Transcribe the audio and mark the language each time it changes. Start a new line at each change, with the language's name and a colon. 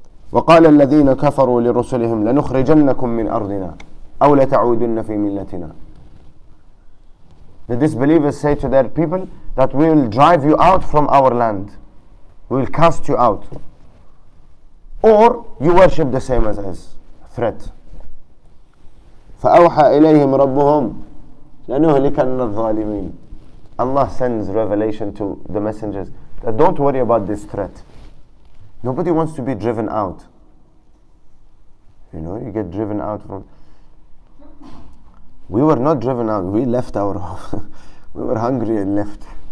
Arabic: وقال الذين كفروا لرسلهم لنخرجنكم من أرضنا أو لتعودن في ملتنا.
English: The disbelievers say to their people that we will drive you out from our land. We will cast you out. Or you worship the same as us. Threat.
Arabic: فأوحى إليهم ربهم لنهلكن الظالمين.
English: Allah sends revelation to the messengers that don't worry about this threat. Nobody wants to be driven out. You get driven out from... We were not driven out, we left our home. We were hungry and left.